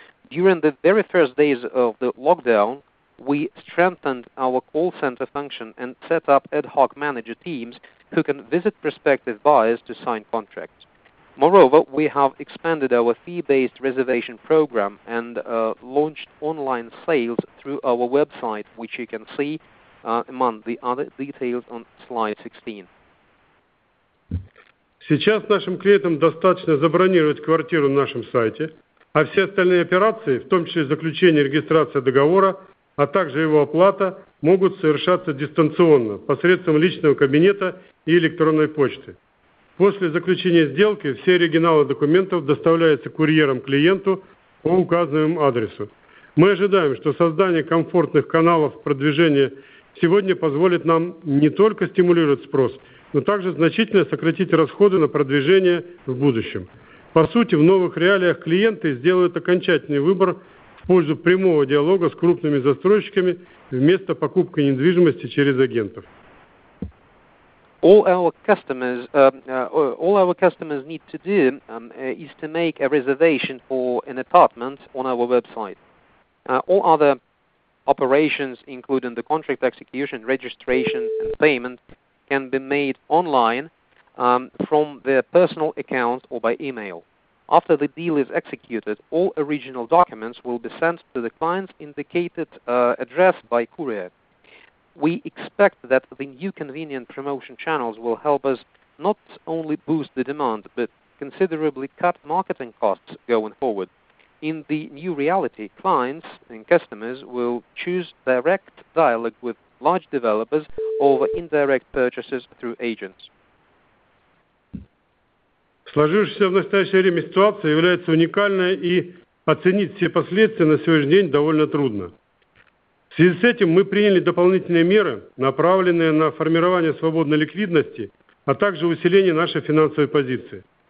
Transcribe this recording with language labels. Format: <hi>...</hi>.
<en>During the very first days of the lockdown, we strengthened our call center function and set up ad hoc manager teams who can visit prospective buyers to sign contracts. Moreover, we have expanded our fee-based reservation program and launched online sales through our website, which you can see among the other details on slide 16.</en> <ru>Сейчас нашим клиентам достаточно забронировать квартиру на нашем сайте, а все остальные операции, в том числе заключение и регистрация договора, а также его оплата, могут совершаться дистанционно, посредством личного кабинета и электронной почты. После заключения сделки все оригиналы документов доставляются курьером клиенту по указанному адресу. Мы ожидаем, что создание комфортных каналов продвижения сегодня позволит нам не только стимулировать спрос, но также значительно сократить расходы на продвижение в будущем. По сути, в новых реалиях клиенты сделают окончательный выбор в пользу прямого диалога с крупными застройщиками вместо покупки недвижимости через агентов.</ru> <en>All our customers need to do is to make a reservation for an apartment on our website. All other operations, including the contract execution, registration and payment, can be made online from their personal account or by email. After the deal is executed, all original documents will be sent to the client's indicated address by courier. We expect that the new convenient promotion channels will help us not only boost the demand, but considerably cut marketing costs going forward. In the new reality, clients and customers will choose direct dialogue with large developers over indirect purchases through agents.</en> <ru>Сложившаяся в настоящее время ситуация является уникальной, и оценить все последствия на сегодняшний день довольно трудно. В связи с этим мы приняли дополнительные меры, направленные на формирование свободной ликвидности, а также усиление нашей финансовой позиции.</ru>